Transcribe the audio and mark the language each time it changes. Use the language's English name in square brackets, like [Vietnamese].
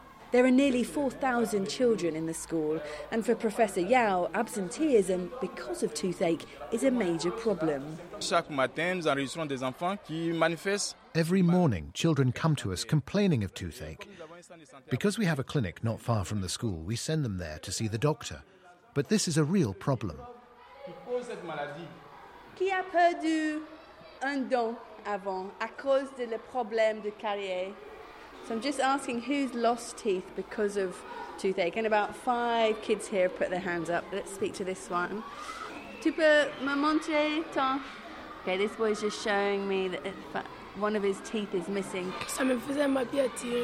[English] There are nearly 4,000 children in the school, and for Professor Yao, absenteeism because of toothache is a major problem. Every morning, children come to us complaining of toothache. Because we have a clinic not far from the school, we send them there to see the doctor. But this is a real problem. [French] Qui a perdu un dent avant à cause de le problème de carier? [English] So I'm just asking who's lost teeth because of toothache. And about 5 kids here have put their hands up. Let's speak to this one. [French] Tu peux me montrer ton? [English] Okay, this boy's just showing me that one of his teeth is missing. [French] Ça me faisait ma vie à tirer.